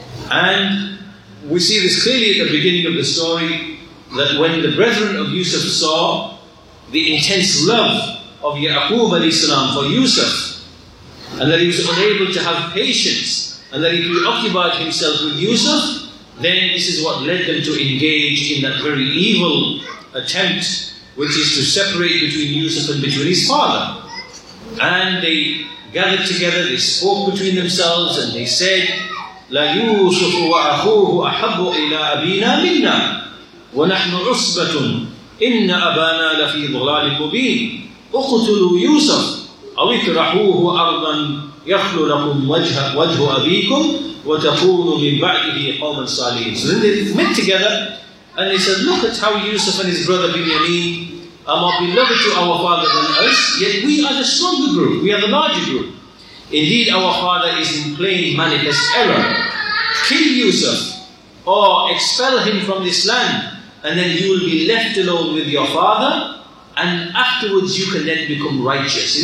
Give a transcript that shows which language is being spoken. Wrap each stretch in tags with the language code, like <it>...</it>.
<en>And we see this clearly at the beginning of the story, that when the brethren of Yusuf saw the intense love of Ya'qub alayhi salam for Yusuf, and that he was unable to have patience, and that he preoccupied himself with Yusuf, then this is what led them to engage in that very evil attempt, which is to separate between Yusuf and between his father. And they gathered together, they spoke between themselves, and they said,</en> <ar>لَا يُوسُفُ وَأَخُوهُ أَحَبُّ إِلَىٰ أَبِينَا مِنَّا وَنَحْنُ عُصْبَةٌ إِنَّ أَبَانَا لَفِي ضُلَالٍ مُبِينٍ اُقْتُلُوا يُوسَفُ أَوْ اِطْرَحُوهُ أَرْضًا يَخْلُ لَكُمْ وَجْهُ أَبِيكُمْ وَتَكُونُ مِنْ بَعْدِهِ قَوْمًا صَالِحِينَ.</ar> <en>So then they met together and they said, look at how Yusuf and his brother Binyamin are more beloved to our father than us, yet we are the stronger group, we are the larger group. Indeed, our father is in plain manifest error. Kill Yusuf or expel him from this land, and then you will be left alone with your father, and afterwards you can then become righteous.</en>